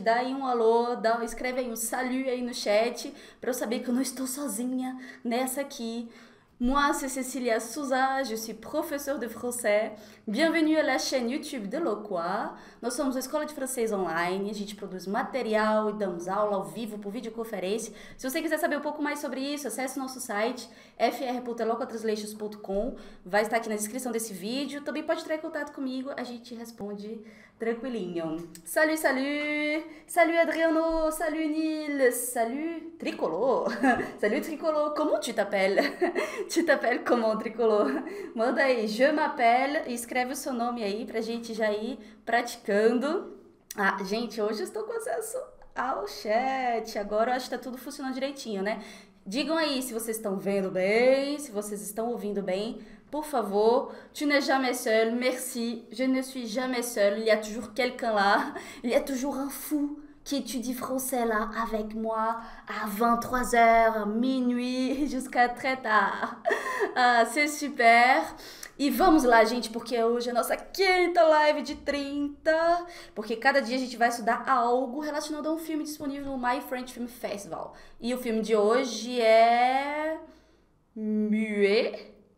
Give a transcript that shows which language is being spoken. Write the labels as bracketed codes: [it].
[pt] Dá aí um alô, escreve aí um salut aí no chat, pra eu saber que eu não estou sozinha nessa aqui. [fr] Moi, c'est Cecilia Souza, je suis professeure de français. Bienvenue à la chaîne YouTube de Loqua. [pt] Nós somos a escola de francês online, a gente produz material e damos aula ao vivo por videoconferência. Se você quiser saber um pouco mais sobre isso, acesse nosso site fr.loquatranslations.com. Vai estar aqui na descrição desse vídeo. Também pode entrar em contato comigo, a gente responde tranquilinho. [fr] Salut, salut! Salut, Adriano! Salut, Nil! Salut, Tricolor! Salut, Tricolor! Como tu t'appelles? Tu t'appelles comment, Tricolor? [pt] Manda aí, [fr] je m'appelle, [pt] escreve o seu nome aí pra gente já ir praticando. Ah, gente, hoje eu estou com acesso ao chat. Agora eu acho que tá tudo funcionando direitinho, né? Digam aí se vocês estão vendo bem, se vocês estão ouvindo bem. Por favor, [fr] tu n'es jamais seul, merci, je ne suis jamais seul. Il y a toujours quelqu'un là, il y a toujours un fou qui étudie français là avec moi à 23h, minuit, jusqu'à très tard. Ah, c'est super. [pt] E vamos lá, gente, porque hoje é nossa quinta live de 30. Porque cada dia a gente vai estudar algo relacionado a um filme disponível no My French Film Festival. E o filme de hoje é... Mué?